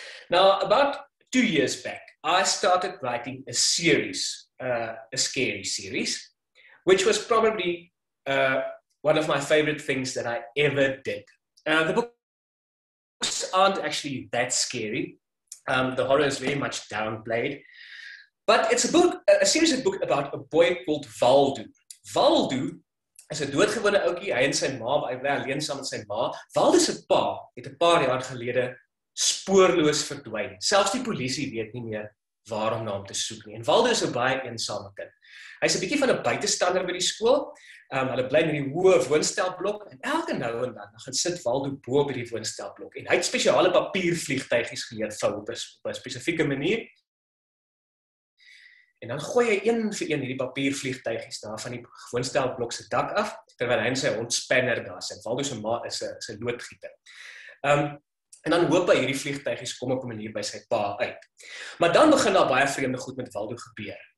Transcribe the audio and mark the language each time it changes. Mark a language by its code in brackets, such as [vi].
[en] Now, about 2 years back, I started writing a series, a scary series, which was probably one of my favorite things that I ever did. The book aren't actually that scary. The horror is very much downplayed. But it's a book, a series of books about a boy called Valdo. [af] Valdo is 'n doodgewone ouetjie, hy en sy ma, hy bly alleen saam met sy ma. Valdo se pa het 'n paar jaar gelede spoorloos verdwyn. Selfs die polisie weet nie meer waar om na hom te soek nie. En Valdo is 'n baie eensame kind. Hy's 'n bietjie van 'n buitestander by die skool. Hulle bly in die hoë woonstelblok en elke nou en dan gaan sit Valdo bo by die woonstelblok en hy het spesiale papiervliegtuigies geleer vou op 'n spesifieke manier. En dan gooi hy een vir een hierdie papiervliegtuigies daar van die woonstelblok se dak af terwyl hy en sy hond Spanner daar sit. Valdo se ma is 'n loodgieter. En dan hoop hy hierdie vliegtuigies kom op 'n manier by sy pa uit. Maar dan begin daar baie vreemde goed met Waldo gebeur.